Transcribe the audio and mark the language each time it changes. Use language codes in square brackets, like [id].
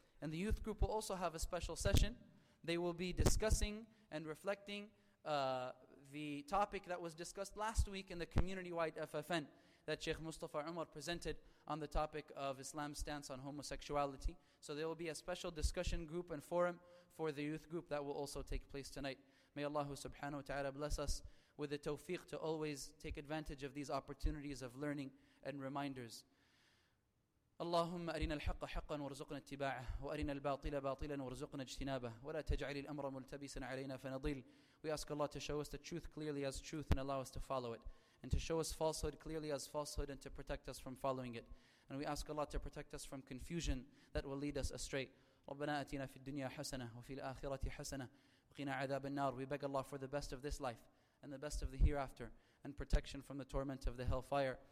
[en] And the youth group will also have a special session. They will be discussing and reflecting the topic that was discussed last week in the community-wide FFN that Sheikh Mustafa Umar presented on the topic of Islam's stance on homosexuality. So there will be a special discussion group and forum for the youth group that will also take place tonight. May Allah subhanahu wa ta'ala bless us with the tawfiq to always take advantage of these opportunities of learning and reminders. [ar] اللهم أرنا الحق حقا وارزقنا اتباعه وأرنا الباطل باطلا وارزقنا اجتنابه ولا تجعل الأمر ملتبسا علينا فنضل. [en] We ask Allah to show us the truth clearly as truth and allow us to follow it, and to show us falsehood clearly as falsehood and to protect us from following it. And we ask Allah to protect us from confusion that will lead us astray. [ar] ربنا آتنا في الدنيا حسنة وفي الآخرة حسنة وقنا عذاب النار. [en] We beg Allah for the best of this life and the best of the hereafter, and protection from the torment of the hellfire.